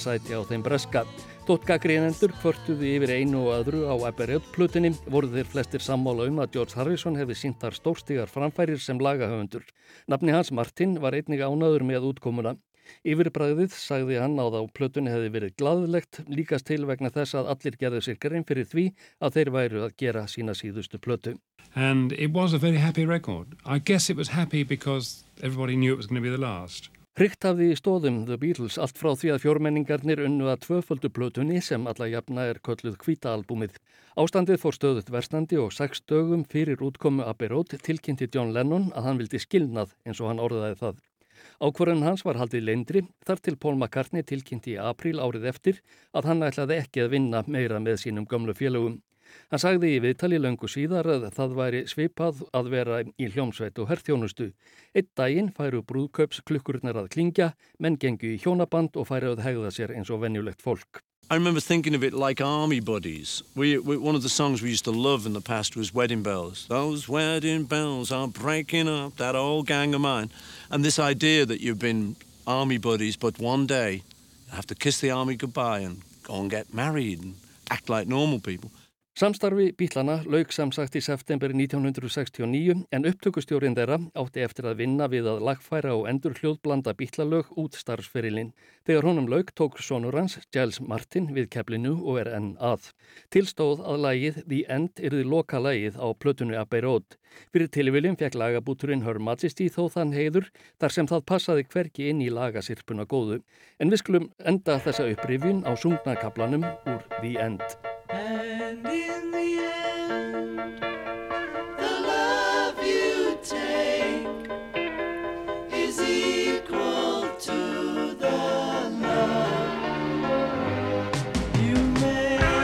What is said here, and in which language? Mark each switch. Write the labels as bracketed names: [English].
[Icelandic] sæti á þeim breska. Þótt gagnrýnendur kvörtuðu yfir einu og öðru á Abbey Road plötunni, voru þeir flestir sammála að George Harrison hefði sýnt þar stórstígar framfærir sem lagahöfundur. Nafni hans Martin var einnig ánægður með útkomuna. Yfirbragðið sagði hann á þá plötunni hefði verið glaðlegt, líkast til vegna þess að allir gerðu sér grein fyrir því að þeir væru að gera sína síðustu plötu. [English] And it was a very happy record. I guess it was happy because everybody knew it was going to be the last. [Icelandic] Hrykt hafði í stóðum The Beatles allt frá því að fjórmenningarnir unnu að tvöföldu plötunni sem alla jafna kölluð hvíta albúmið. Ástandið fór stöðut versnandi og sex dögum fyrir útkomu Abbey Road tilkynnti John Lennon að hann vildi skilnað eins og hann orðaði það. Ákvörðun hans var haldið leyndri þar til Paul McCartney tilkynnti í apríl árið eftir að hann ætlaði ekki að vinna meira með sínum gömlu félögum. Hann sagði í viðtali löngu síðar að það væri svipað að vera í hljómsveit og herþjónustu. Einn daginn færu brúðkaups klukkurnar að klingja, menn gengu í hjónaband og færu að hegða sér eins og venjulegt fólk. [English] I remember thinking of it like army buddies. We one of the songs we used to love in the past was Wedding Bells. Those wedding bells are breaking up that old gang of mine. And this idea that you've been army buddies but one day you have to kiss the army goodbye and go and get married and act like normal people. [Icelandic] Samstarfi Bítlana lauk sem sagt í september 1969 en upptökustjórinn þeirra átti eftir að vinna við að lagfæra og endur hljóðblanda Bítlalög út starfsferilinn. Þegar honum lauk tók sonur hans, Giles Martin, við keflinu og er enn að. Tilstóð að lagið The End yrði loka lagið á plötunni Abbey Road. Fyrir tilviljun fekk lagabúturinn Her Majesty þó þann heiður þar sem það passaði hvergi inn í lagasirpuna góðu. En við skulum enda þessa upprifjun á sungna kaflanum úr The End. [English] And in the end, the love you take is equal to the love you make.